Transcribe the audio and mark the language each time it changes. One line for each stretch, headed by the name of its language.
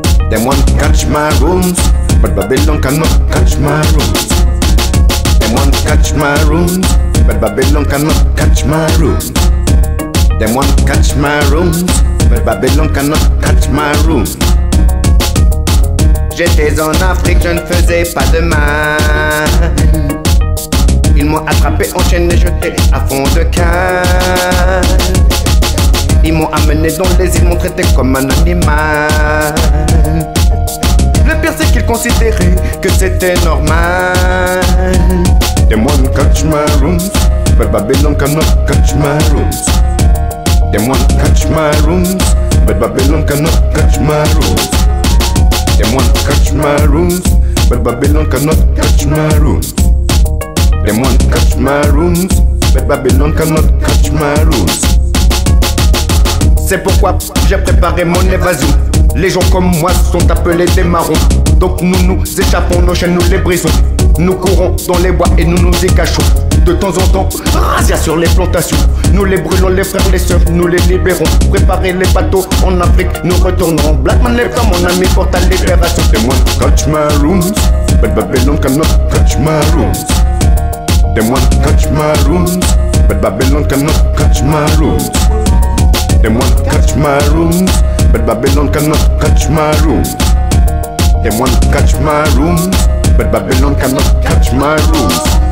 English: They want to catch maroons, but Babylon cannot catch maroons. They want to catch maroons, but Babylon cannot catch maroons. They want to catch maroons, but Babylon cannot catch maroons.
French: J'étais en Afrique, je ne faisais pas de mal. Ils m'ont attrapé, enchaîné, jeté à fond de cale. Ils m'ont amené dans les îles, m'ont traité comme un animal. Le pire c'est qu'ils considéraient que c'était normal.
English: They want to catch maroons, but Babylon cannot catch maroons. They want to catch maroons, but Babylon cannot catch maroons. They want to catch maroons, but Babylon cannot catch maroons. They want to catch maroons, but Babylon cannot catch maroons.
French: C'est pourquoi j'ai préparé mon évasion. Les gens comme moi sont appelés des marrons. Donc nous échappons, nos chaînes nous les brisons. Nous courons dans les bois et nous y cachons. De temps en temps, razzia sur les plantations. Nous les brûlons, les frères, les sœurs, nous les libérons. Préparer les bateaux en Afrique, nous retournerons. Blackman les frères, mon ami, porte à libération.
English: They want to catch maroons, but Babylon cannot catch maroons. They want to catch maroons, but Babylon cannot catch maroons. They want to catch maroons, but Babylon cannot catch maroons. They want to catch maroons, but Babylon cannot catch maroons.